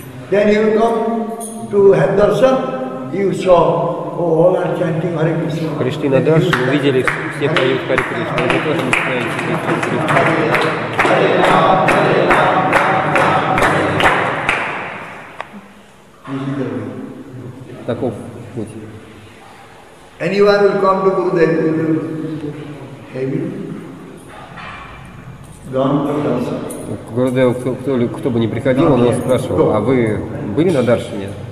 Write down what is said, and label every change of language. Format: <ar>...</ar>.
<en>Then you come to have darshan, you saw all are chanting Hare Krishna.</en> <ru>Кришна дарш, вы видели, все поют Хари Кришна. Вы тоже начинаете петь Хари Кришна. Таков путь.</ru> <en>Anyone will come to Gurudev, you will have it.</en> <ru>К Гурудеву кто бы ни приходил, он вас спрашивал, а вы были на даршане?</ru>